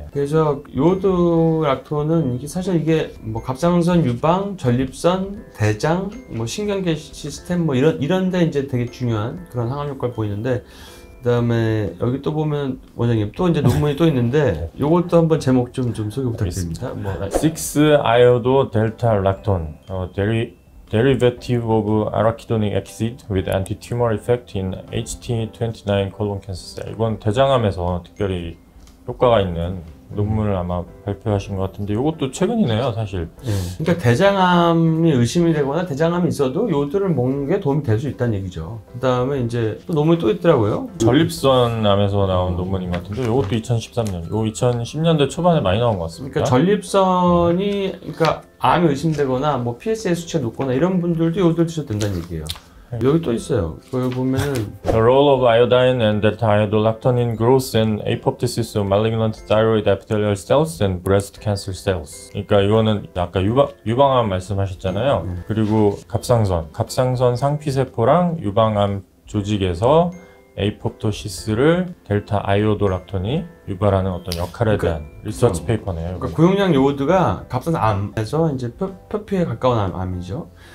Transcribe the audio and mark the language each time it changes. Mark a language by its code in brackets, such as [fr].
[ko] 그래서 요오드 락톤은 이게 사실 이게 뭐 갑상선 유방, 전립선, 대장, 뭐 신경계 시스템 뭐 이런데 이제 되게 중요한 그런 항암 효과를 보이는데 그다음에 여기 또 보면 원장님 또 이제 논문이 또 있는데 이것도 한번 제목 좀 소개 부탁드립니다. 뭐 [en] 6-iodo-delta-lactone. Derivative of arachidonic acid with anti-tumor effect in HT29 colon cancer cell. [ko] 이건 대장암에서 특별히 효과가 있는 논문을 아마 발표하신 것 같은데 이것도 최근이네요, 사실. 그러니까 대장암이 의심이 되거나 대장암이 있어도 요오드를 먹는 게 도움이 될 수 있다는 얘기죠. 그다음에 이제 또 논문이 또 있더라고요. 전립선암에서 나온 논문인 것 같은데 이것도 2013년, 요 2010년대 초반에 많이 나온 것 같습니다. 그러니까 전립선이 그러니까 암이 의심되거나 뭐 PSA 수치가 높거나 이런 분들도 요오드를 드셔도 된다는 얘기예요. 여기 또 있어요. 여기 보면은 [en] The role of iodine and delta iodolactone in growth and apoptosis of malignant thyroid epithelial cells and breast cancer cells. [ko] 그러니까 이거는 아까 유방암 말씀하셨잖아요. 그리고 갑상선 상피세포랑 유방암 조직에서 에이포토시스를 델타 아이오도락톤이 유발하는 어떤 역할에 대한 리서치 페이퍼네요. 그러니까 고용량 요오드가 갑상암에서 이제 표피에 가까운 암이죠.